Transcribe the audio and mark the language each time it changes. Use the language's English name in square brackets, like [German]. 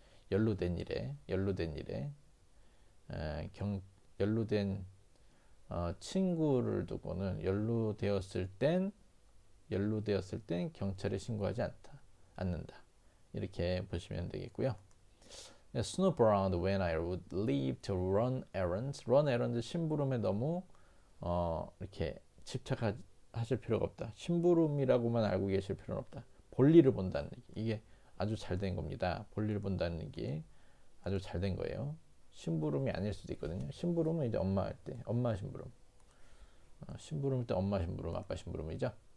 [Korean] 연루된 친구를 두고는 연루되었을 땐 경찰에 신고하지 않는다. 이렇게 보시면 되겠고요. [English] Snoop around when I would leave to run errands. Run errands [Korean] 심부름에 너무 이렇게 하실 필요가 없다. 심부름이라고만 알고 계실 필요는 없다. 볼일을 본다는 얘기. 이게 아주 잘된 겁니다. 볼일을 본다는 게 아주 잘된 거예요. 심부름이 아닐 수도 있거든요. 심부름은 이제 엄마 할 때, 엄마 심부름. 심부름일 때 엄마 심부름, 아빠 심부름이죠.